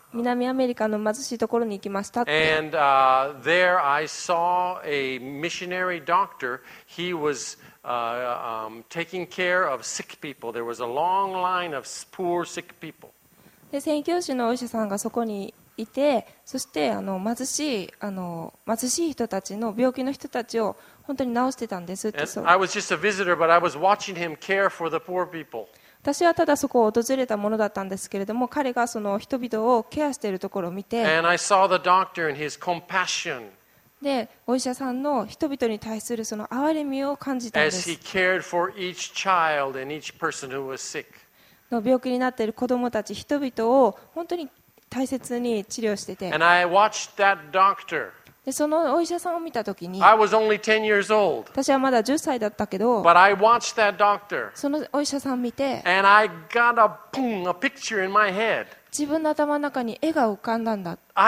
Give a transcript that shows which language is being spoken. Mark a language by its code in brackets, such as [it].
[ja] 南アメリカの貧しいところに行きましたって。 [en] And there I saw a missionary doctor. He was taking care of sick people. There was a long line of poor sick people. [ja] で、宣教師のお医者さんがそこにいて、そして貧しい人たちの病気の人たちを本当に治してたんですって。私はただそこを訪れたものだったんですけれども、彼がその人々をケアしているところを見て、 [en] And I saw the doctor and his compassion. [ja] で、お医者さんの人々に対するその憐れみを感じたんです。 [en] As he cared for each child and each person who was sick. [ja] の病気になっている子どもたち人々を本当に大切に治療してて、でそのお医者さんを見たときに、私はまだ10歳だったけど、そのお医者さんを見て、自分の頭の中に絵が浮かんだんだ。